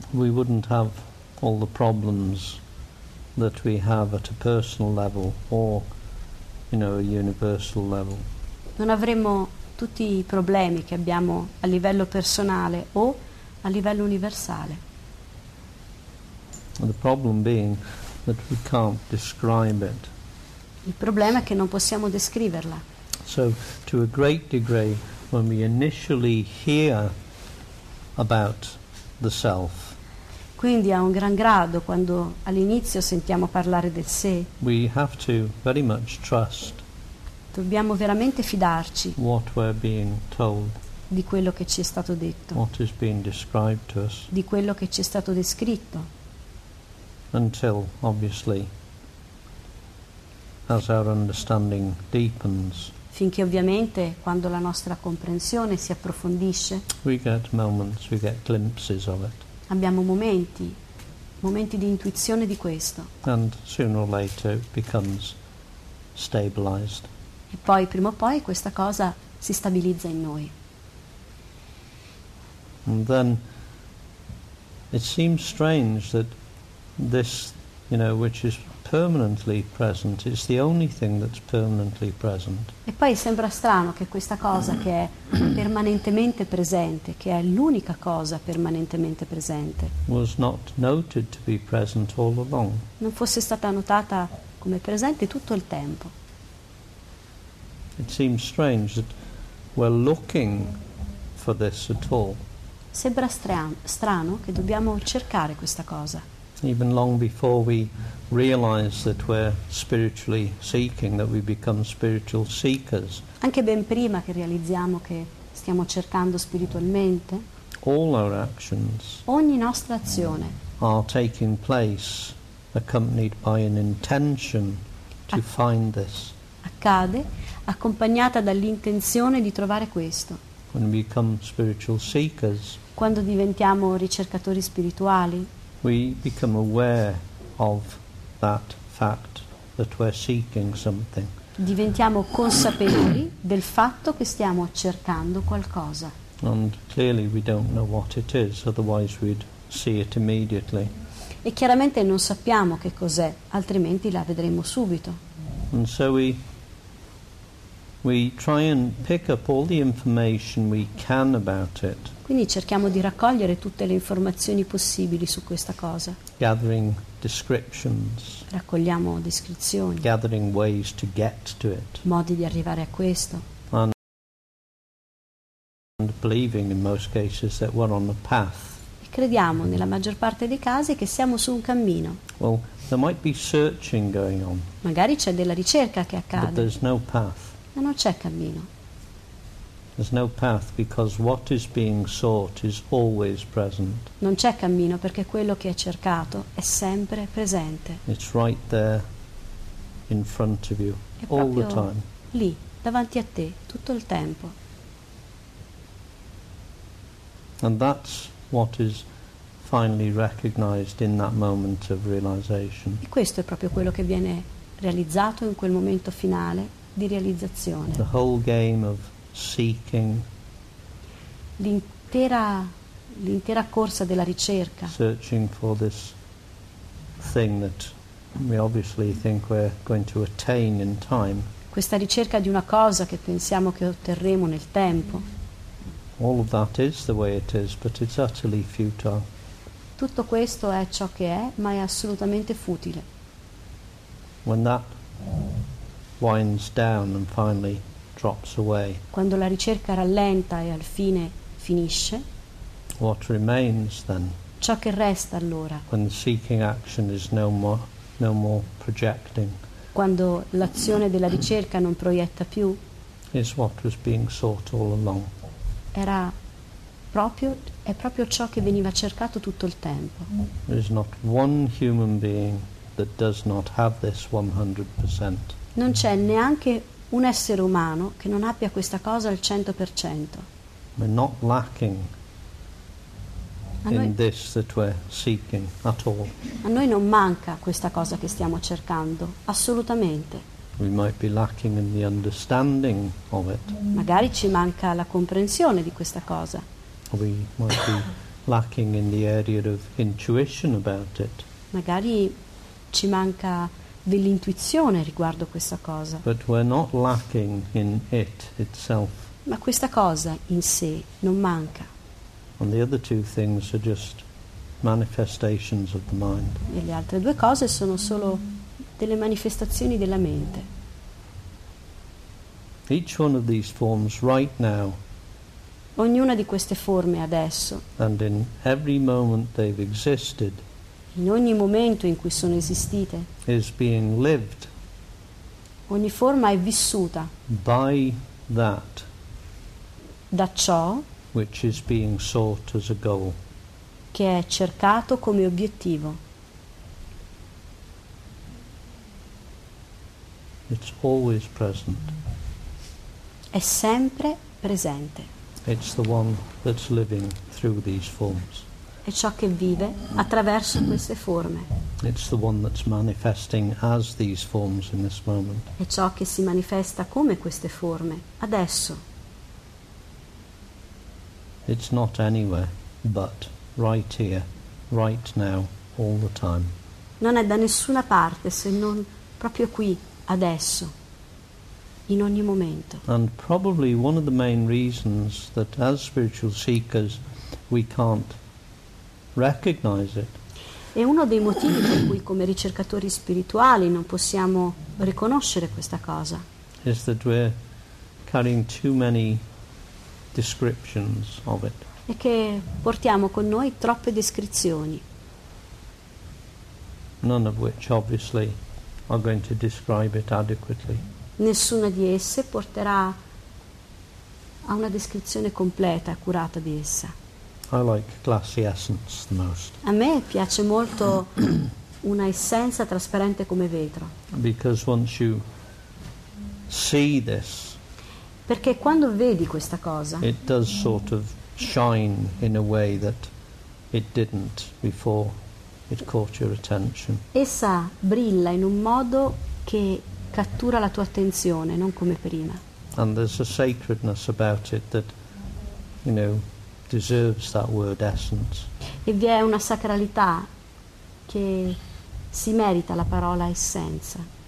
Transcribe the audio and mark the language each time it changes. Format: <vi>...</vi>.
<en>we wouldn't have all the problems that we have at a personal level or, you know, a universal level.</en> <it>Non avremmo tutti i problemi che abbiamo a livello personale o a livello universale.</it> <en>The problem being that we can't describe it.</en> <it>Il problema è che non possiamo descriverla.</it> <en>So, to a great degree, when we initially hear about the self,</en> <it>quindi a un gran grado quando all'inizio sentiamo parlare del sé,</it> <en>we have to very much trust.</en> <it>Dobbiamo veramente fidarci.</it> <en>What we're being told.</en> <it>Di quello che ci è stato detto.</it> <en>What is being described to us.</en> <it>Di quello che ci è stato descritto.</it> <en>Until, obviously, as our understanding deepens.</en> <it>Finché ovviamente, quando la nostra comprensione si approfondisce.</it> <en>We get moments, we get glimpses of it.</en> <it>Abbiamo momenti di intuizione di questo.</it> <en>And sooner or later it becomes stabilized.</en> <it>E poi, prima o poi, questa cosa si stabilizza in noi.</it> <en>And then it seems strange that this, you know, which is permanently present, is the only thing that's permanently present.</en> <it>E poi sembra strano che questa cosa che è permanentemente presente, che è l'unica cosa permanentemente presente,</it> <en>was not noted to be present all along.</en> <it>Non fosse stata notata come presente tutto il tempo.</it> <en>It seems strange that we're looking for this at all.</en> <it>Sembra strano che dobbiamo cercare questa cosa.</it> <en>Even long before we realize that we're spiritually seeking, that we become spiritual seekers.</en> <it>Anche ben prima che realizziamo che stiamo cercando spiritualmente.</it> <en>All our actions.</en> <it>Ogni nostra azione.</it> <en>Are taking place, accompanied by an intention to find this.</en> <it>Accade, accompagnata dall'intenzione di trovare questo.</it> <en>When we become spiritual seekers.</en> <it>Quando diventiamo ricercatori spirituali.</it> <en>We become aware of that fact that we're seeking something.</en> <it>Diventiamo consapevoli del fatto che stiamo cercando qualcosa.</it> <en>And clearly we don't know what it is, otherwise we'd see it immediately.</en> <it>E chiaramente non sappiamo che cos'è, altrimenti la vedremo subito.</it> <en>And so we try and pick up all the information we can about it.</en> <it>Quindi cerchiamo di raccogliere tutte le informazioni possibili su questa cosa.</it> <en>Gathering descriptions.</en> <it>Raccogliamo descrizioni.</it> <en>Gathering ways to get to it.</en> <it>Modi di arrivare a questo.</it> <en>And believing in most cases that we're on the path.</en> <it>E crediamo nella maggior parte dei casi che siamo su un cammino.</it> <en>Well, there might be searching going on.</en> <it>Magari c'è della ricerca che accade.</it> <en>But there's no path.</en> <it>Ma non c'è cammino.</it> <en>There's no path because what is being sought is always present.</en> <it>Non c'è cammino perché quello che è cercato è sempre presente.</it> <en>It's right there in front of you all the time.</en> <it>Lì, davanti a te, tutto il tempo.</it> <en>And that's what is finally recognized in that moment of realization.</en> <it>E questo è proprio quello che viene realizzato in quel momento finale di realizzazione.</it> <en>The whole game of seeking.</en> <it>L'intera corsa della ricerca.</it> <en>Searching for this thing that we obviously think we're going to attain in time.</en> <it>Questa ricerca di una cosa che pensiamo che otterremo nel tempo.</it> <en>All of that is the way it is, but it's utterly futile.</en> <it>Tutto questo è ciò che è, ma è assolutamente futile.</it> <en>When that winds down and finally drops away.</en> <it>Quando la ricerca rallenta e al fine finisce.</it> <en>What remains then?</en> <it>Ciò che resta allora.</it> <en>When the seeking action is no more projecting.</en> <it>Quando l'azione della ricerca non proietta più.</it> <en>Is what was being sought all along.</en> <it>È proprio ciò che veniva cercato tutto il tempo.</it> <en>There is not one human being that does not have this 100%.</en> <it>Non c'è neanche un essere umano che non abbia questa cosa al 100%.</it> <en>We're not lacking in this that we're seeking at all.</en> <it>A noi non manca questa cosa che stiamo cercando, assolutamente.</it> <en>We might be lacking in the understanding of it.</en> <it>Magari ci manca la comprensione di questa cosa.</it> <en>We might be lacking in the area of intuition about it.</en> <it>Magari ci manca dell'intuizione riguardo questa cosa.</it> <en>But we're not lacking in it itself.</en> <it>Ma questa cosa in sé non manca.</it> <en>And the other two things are just manifestations of the mind.</en> <it>E le altre due cose sono solo delle manifestazioni della mente.</it> <en>Each one of these forms right now.</en> <it>Ognuna di queste forme adesso.</it> <en>And in every moment they've existed.</en> <it>In ogni momento in cui sono esistite.</it> <en>Is being lived.</en> <it>Ogni forma è vissuta.</it> <en>By that.</en> <it>Da ciò.</it> <en>Which is being sought as a goal.</en> <it>Che è cercato come obiettivo.</it> <en>It's always present.</en> <it>È sempre presente.</it> <en>It's the one that's living through these forms.</en> <it>È ciò che vive attraverso queste forme.</it> <en>It's the one that's manifesting as these forms in this moment.</en> <it>È ciò che si manifesta come queste forme adesso.</it> <en>It's not anywhere but right here, right now, all the time.</en> <it>Non è da nessuna parte se non proprio qui adesso, in ogni momento.</it> <en>And probably one of the main reasons that as spiritual seekers we can't recognize it.</en> <it>È uno dei motivi per cui come ricercatori spirituali non possiamo riconoscere questa cosa.</it> <en>Is that we're carrying too many descriptions of it.</en> <it>È che portiamo con noi troppe descrizioni.</it> <en>None of which obviously are going to describe it adequately.</en> <it>Nessuna di esse porterà a una descrizione completa, accurata di essa.</it> <en>I like glassy essence the most.</en> <it>A me piace molto una essenza trasparente come vetro.</it> <en>Because once you see this.</en> <it>Perché quando vedi questa cosa.</it> <en>It does sort of shine in a way that it didn't before. It caught your attention.</en> <it>Essa brilla in un modo che cattura la tua attenzione, non come prima.</it> <en>And there's a sacredness about it that, you know, deserves that word essence.</en> <it>E vi è una sacralità che si merita la parola essenza.</it>